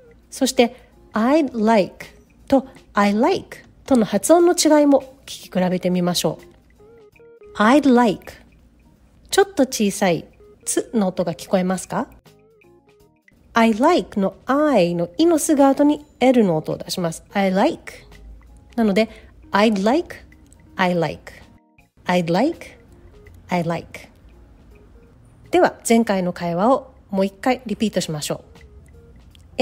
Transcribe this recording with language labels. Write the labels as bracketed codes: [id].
[ja] そして [en] I'd like [ja] と [en] I like [ja] との発音の違いも聞き比べてみましょう。 [en] I'd like。 [ja] ちょっと小さいつの音が聞こえますか？ [en] I like [ja] の I のイのすぐ後に L の音を出します。 [en] I like [ja] なので [en] I'd like, I like, I'd like, I like。 [ja] では前回の会話をもう一回リピートしましょう。